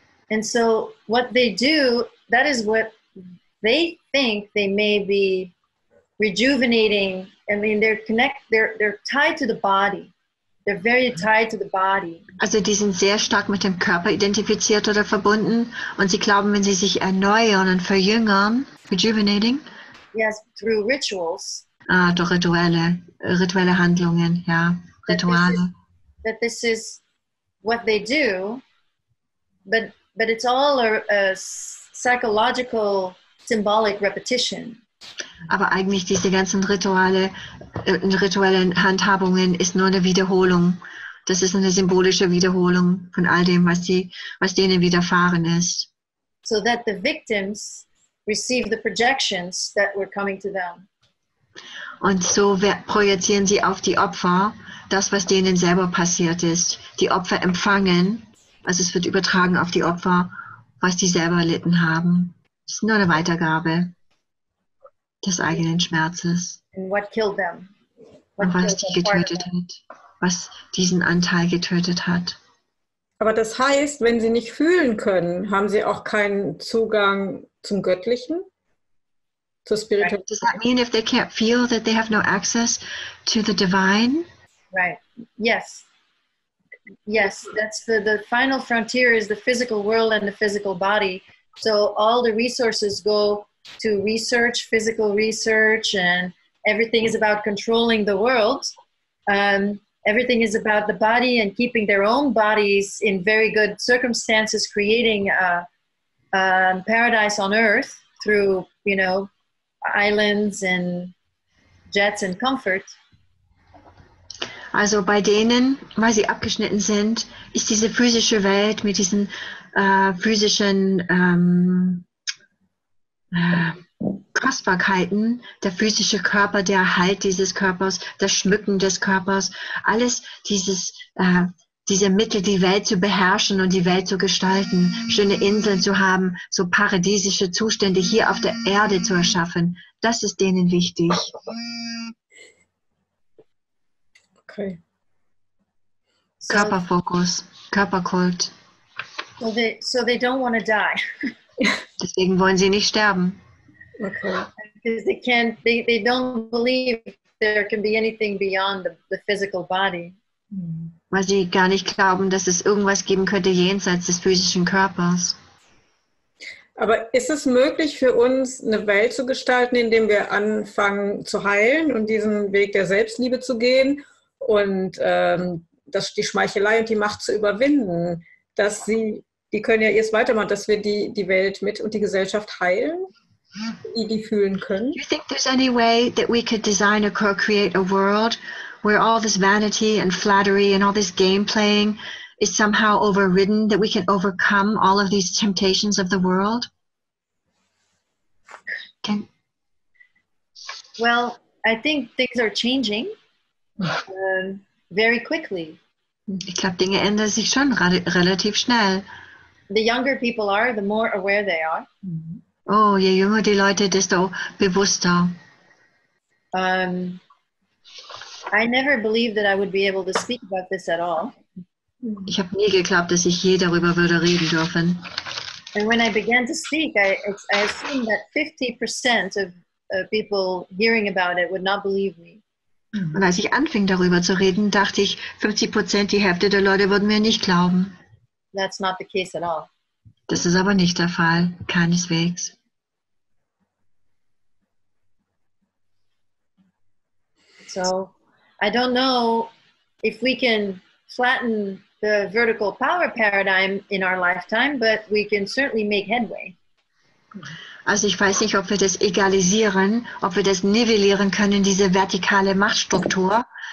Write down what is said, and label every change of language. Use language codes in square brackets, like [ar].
[en] And so what they do, that is what they think they may be rejuvenating. I mean, they're tied to the body. They're very tied to the body. [de] Also die sind sehr stark mit dem Körper identifiziert oder verbunden und sie glauben, wenn sie sich erneuern und verjüngern, rejuvenating. [en] Yes, through rituals. [de] Ah, durch rituelle Handlungen, ja, Rituale. [en] That this is what they do, but it's all a psychological symbolic repetition. [de] Aber eigentlich diese ganzen Rituale, rituellen Handhabungen ist nur eine Wiederholung. Das ist eine symbolische Wiederholung von all dem, was denen widerfahren ist. [en] So that the victims receive the projections that were coming to them. [de] Und so projizieren sie auf die Opfer das, was denen selber passiert ist. Die Opfer empfangen, also es wird übertragen auf die Opfer, was die selber erlitten haben. Es ist nur eine Weitergabe des eigenen Schmerzes. [en] And what killed them? [de] Und was die getötet hat. Was diesen Anteil getötet hat. Aber das heißt, wenn sie nicht fühlen können, haben sie auch keinen Zugang zum Göttlichen? Zur Spiritualität? [en] Does that mean if they can't feel that they have no access to the divine? Right. Yes. Yes, that's the final frontier is the physical world and the physical body. So all the resources go to research, physical research, and everything is about controlling the world. Everything is about the body and keeping their own bodies in very good circumstances, creating a paradise on earth through, you know, islands and jets and comfort. [de] Also bei denen, weil sie abgeschnitten sind, ist diese physische Welt mit diesen physischen Kostbarkeiten, der physische Körper, der Halt dieses Körpers, das Schmücken des Körpers, alles dieses diese Mittel, die Welt zu beherrschen und die Welt zu gestalten, schöne Inseln zu haben, so paradiesische Zustände hier auf der Erde zu erschaffen, das ist denen wichtig. Okay. So, Körperfokus, Körperkult. [en] So they don't want to die. [de] Deswegen wollen sie nicht sterben. Okay. [en] Because they can't, they don't believe there can be anything beyond the physical body. [de] Weil sie gar nicht glauben, dass es irgendwas geben könnte jenseits des physischen Körpers. Aber ist es möglich für uns, eine Welt zu gestalten, indem wir anfangen zu heilen und diesen Weg der Selbstliebe zu gehen? Und dass die Schmeichelei und die Macht zu überwinden, dass sie, die können ja erst weitermachen, dass wir die Welt mit und die Gesellschaft heilen, die fühlen können. [en] You think there's any way that we could design or co-create a world where all this vanity and flattery and all this game playing is somehow overridden, that we can overcome all of these temptations of the world? Can... Well, I think things are changing. Very quickly. [de] Ich glaube, Dinge ändern sich schon relativ schnell. [en] The younger people are, the more aware they are. [de] Oh, je jünger die Leute, desto bewusster. [en] I never believed that I would be able to speak about this at all. [de] Ich habe nie geglaubt, dass ich je darüber würde reden dürfen. [en] And when I began to speak, I assumed that 50% of people hearing about it would not believe me. [de] Und als ich anfing, darüber zu reden, dachte ich, 50%, die Hälfte der Leute würden mir nicht glauben. [en] That's not the case at all. [de] Das ist aber nicht der Fall, keineswegs. [en] So, I don't know if we can flatten the vertical power paradigm in our lifetime, but we can certainly make headway. [de] Also ich weiß nicht, ob wir das egalisieren, ob wir das nivellieren können, diese vertikale Machtstruktur.